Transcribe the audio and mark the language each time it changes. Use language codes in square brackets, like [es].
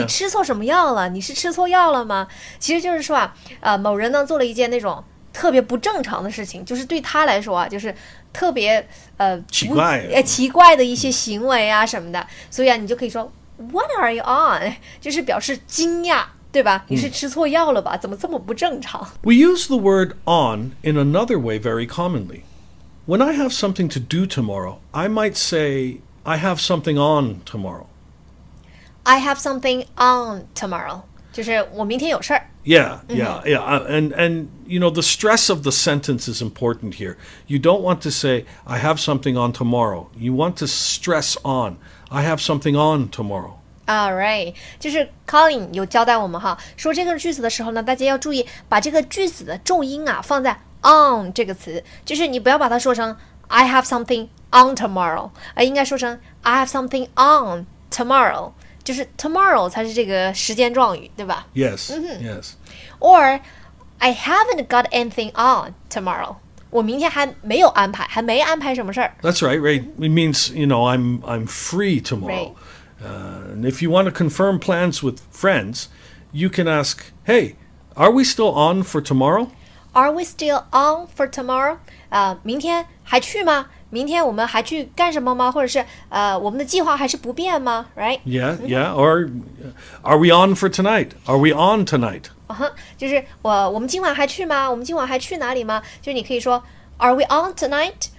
[zh] 你吃错什么药了？你是吃错药了吗？其实就是说、某人呢做了一件那种特别不正常的事情，就是对他来说啊，就是特别、奇怪、奇怪的一些行为啊什么的，所以啊，你就可以说 [en] What are you on? [zh] 就是表示惊讶，对吧？你是吃错药了吧？怎么这么不正常？ [en] We use the word on in another way very commonly. When I have something to do tomorrow, I might say, I have something on tomorrow. I have something on tomorrow. [zh] 就是我明天有事儿。 [en] Yeah, yeah, yeah. And, you know, the stress of the sentence is important here. You don't want to say, I have something on tomorrow. You want to stress on, I have something on tomorrow. All right. [zh] 就是 Colin 有交代我们哈，说这个句子的时候呢，大家要注意把这个句子的重音啊放在 on 这个词。就是你不要把它说成 [en] I have something on tomorrow, [zh] 而应该说成 I have something on tomorrow. 就是 tomorrow 才是这个时间状语，对吧 [en] ？Yes,、mm-hmm. yes. Or I haven't got anything on tomorrow. [zh] 我明天还没有安排，还没安排什么事儿。 [en] That's right, right. It means you know I'm free tomorrow.、And if you want to confirm plans with friends, you can ask, "Hey, are we still on for tomorrow? Are we still on for tomorrow?" [zh] 明天还去吗？明天我们还去干什么吗？或者是我们的计划还是不变吗 ？ [en] Right? Yeah, yeah. Or are we on for tonight? Are we on tonight? [zh] 就是我们今晚还去吗？我们今晚还去哪里吗？就是你可以说 [en] Are we on tonight?